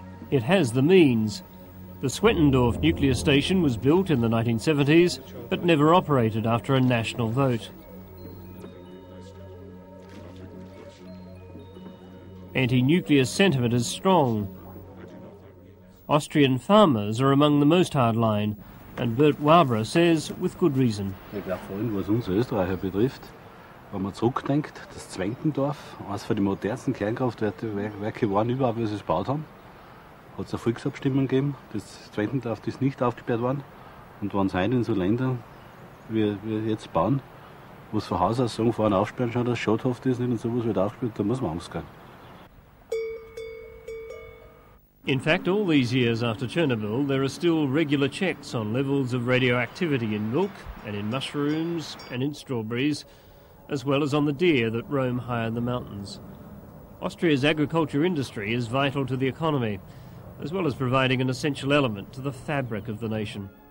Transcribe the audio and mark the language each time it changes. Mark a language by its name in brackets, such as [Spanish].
[English] It has the means. The Swettendorf nuclear station was built in the 1970s, but never operated after a national vote. Anti-nuclear sentiment is strong. Austrian farmers are among the most hardline, and Bert Wabra says with good reason. [German] Ich glaube vor allem, was uns Österreicher betrifft, wenn man zurückdenkt, das Zwentendorf, eines von den modernsten Kernkraftwerke waren überhaupt, wie sie es gebaut haben. Hat es eine Volksabstimmung gegeben, das Zwentendorf ist nicht aufgesperrt worden. Und wenn es heute in so Ländern, wie wir jetzt bauen, wo es von Haus aus sagen, vorne aufsperren, schauen, dass es schadhaft ist nicht, und sowas wird aufgesperrt, da muss man Angst haben. [English] In fact, all these years after Chernobyl, there are still regular checks on levels of radioactivity in milk and in mushrooms and in strawberries, as well as on the deer that roam high in the mountains. Austria's agriculture industry is vital to the economy, as well as providing an essential element to the fabric of the nation.